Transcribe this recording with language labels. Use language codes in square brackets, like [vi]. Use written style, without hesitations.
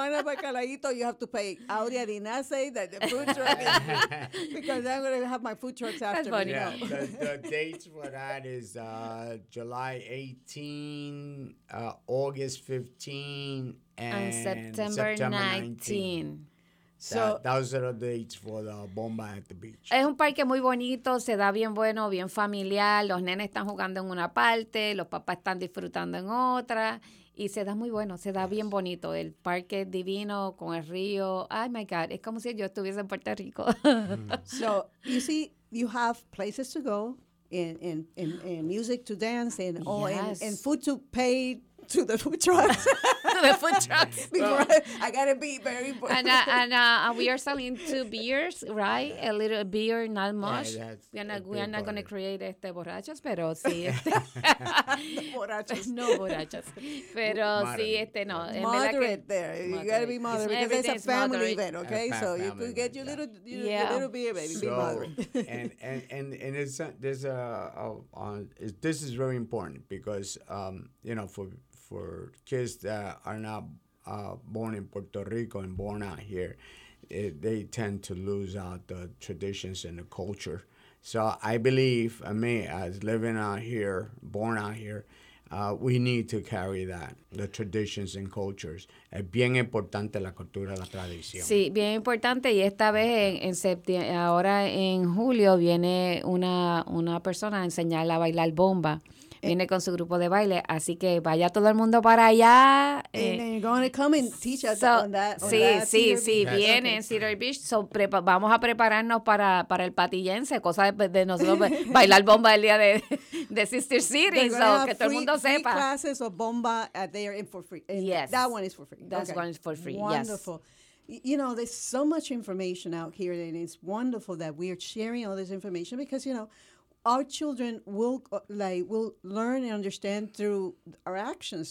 [en] If you want a bacalaito, you have to pay. Aurea did not say that the food truck is because I'm going to have my food trucks after. That's funny. Yeah. The dates for that is July 18, August 15, and September 19. Those are the dates for the Bomba at the Beach. [es] Es un parque muy bonito, se da bien bueno, bien familiar. Los nenes están jugando en una parte, los papás están disfrutando en otra. Y se da muy bueno, se da yes. bien bonito. El parque es divino con el río. [en] Oh, my God. [es] Es como si yo estuviese en Puerto Rico. [en] So, you see, you have places to go and music to dance and, yes. oh, and food to pay to the food trucks. To the food trucks. Before I got to be very important. And we are selling two beers, right? A little beer, not much. Yeah, we are not going to create borrachos, [es] pero sí. borrachos. No borrachos. Pero [en] moderate. [es] Sí, no. [en] Moderate there. You got to be moderate. Because it's a family moderate. Event, okay? Family, so you could get your little beer, baby. So, be moderate. and it's, there's this is very important because, for kids that are not born in Puerto Rico and born out here, they tend to lose out the traditions and the culture. So I believe, as living out here, born out here, we need to carry that, the traditions and cultures. [es] Es bien importante la cultura, la tradición. Sí, bien importante. Y esta vez, en septiembre, ahora en julio, viene una persona a enseñarle a bailar bomba. Viene con su grupo de baile, así que vaya todo el mundo para allá. [en] And you're going to come and teach us on that. [es] Sí, Cedar Beach. Viene en Cedar Beach. So vamos a prepararnos para el patillense, cosa de nosotros bailar bomba el día de Sister City. So que todo el mundo sepa. [en] Free classes of bomba there and for free. And yes. That one is for free. That okay. one is for free, wonderful. Yes. Wonderful. You know, there's so much information out here, and it's wonderful that we are sharing all this information because, you know, our children will learn and understand through our actions.